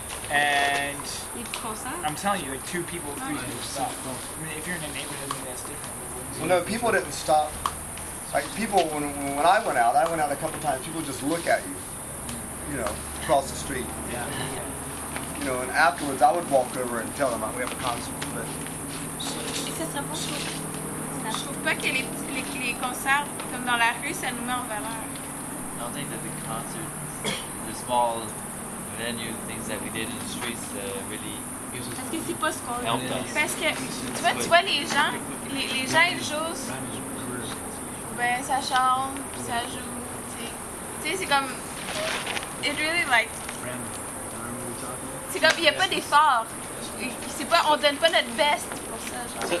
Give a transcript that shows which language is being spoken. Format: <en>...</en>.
<en>And I'm telling you, like two people, three people stopped. I mean, if you're in a neighborhood, maybe that's different. Well, no, people didn't stop. Like people, when I went out a couple times, people just look at you, you know, across the street. Yeah. You know, and afterwards I would walk over and tell them, we have a concert. But.</en> <fr>Et ça, c'est bon, je trouve pas que les concerts, comme dans la rue, ça nous met en valeur.</fr> <en>I don't think that the concert, the small venue, things that we did in the streets, really.</en> <fr>Parce que c'est pas ce qu'on veut. Parce que, tu vois, les gens, ils jouent. Ben, ça chante, ça joue, tu sais. C'est comme...</fr> <en>It really, like...</en> <fr>C'est comme, il n'y a pas d'effort. C'est pas, on donne pas notre best pour ça, genre.</fr>